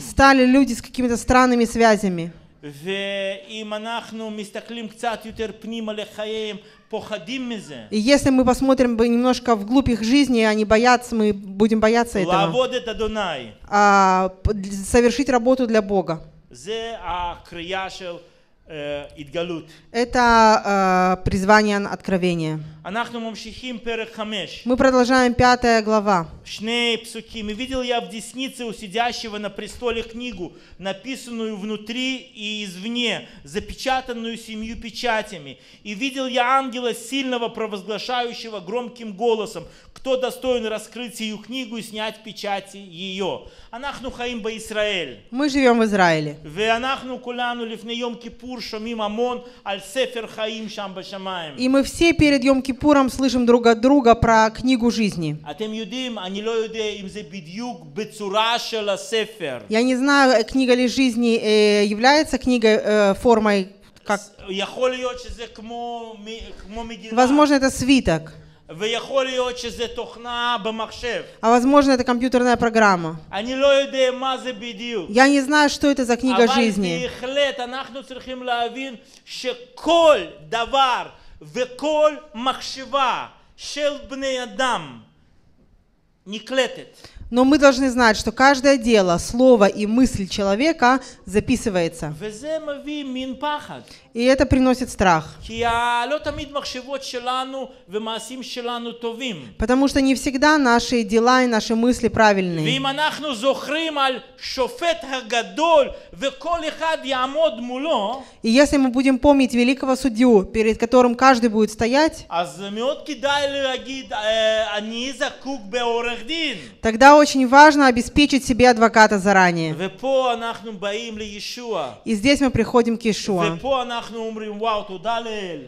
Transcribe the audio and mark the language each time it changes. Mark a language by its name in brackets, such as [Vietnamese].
[Russian] Стали люди с какими-то странными связями. [Hebrew] ואם אנחנו מסתכלים קצת יותר פנימה לחיים, פוחדים מזה. [Russian] И если мы посмотрим немножко вглубь их жизни, они боятся, мы будем бояться этого. [Hebrew] לעבוד את אדוני. [Russian] Совершить работу для Бога. [Hebrew] זה הקריאה של התגלות. [Russian] Это призвание откровения. [Hebrew] אנחנו ממשיכים פרק 5. [Russian] Мы продолжаем 5 глава. [Hebrew] שני פסוקים. [Russian] И видел я в деснице у сидящего на престоле книгу, написанную внутри и извне, запечатанную семью печатями. И видел я ангела сильного, провозглашающего громким голосом, кто достоин раскрыть сию книгу и снять печати ее. [Hebrew] אנחנו חיים בישראל. [Russian] Мы живем в Израиле. [Hebrew] ואנחנו כולנו לפני יום כיפור שומעים המון על ספר חיים שם בשמיים. [Russian] И мы все перед Йом Кипуром слышим друг от друга про книгу жизни. [Hebrew] אתם יודעים, אני לא יודע אם זה בדיוק בצורה של הספר. [Russian] Я не знаю, книга ли жизни является книгой формой как. [Hebrew] יכול להיות שזה כמו מגילה. [Russian] Возможно, это свиток. [Hebrew] ויכול להיות שזה תוכנה במחשב. [Russian] А возможно, это компьютерная программа. [Hebrew] אני לא יודע מה זה בדיוק. [Russian] Я не знаю, что это за книга жизни. [Hebrew] אבל בהחלט אנחנו צריכים להבין שכל דבר וכל מחשבה של בני אדם נקלטת. [Russian] Но мы должны знать, что каждое дело, слово и мысль человека записывается. [Hebrew] וזה מביא מין פחד. [Russian] И это приносит страх. [Hebrew] כי לא תמיד מחשבות שלנו ומעשים שלנו טובים. [Russian] Потому что не всегда наши дела и наши мысли правильные. [Hebrew] ואם אנחנו זוכרים על שופט הגדול וכל אחד יעמוד מולו, [Russian] и если мы будем помнить великого судью, перед которым каждый будет стоять, [Hebrew] אז מאוד כדאי להגיד אני זקוק בעורך דין. [Russian] Тогда очень важно обеспечить себе адвоката заранее. [Hebrew] ופה אנחנו באים לישוע. [Russian] И здесь мы приходим к Иешуа. [Hebrew] ופה אנחנו אומרים, וואו, תודה לאל.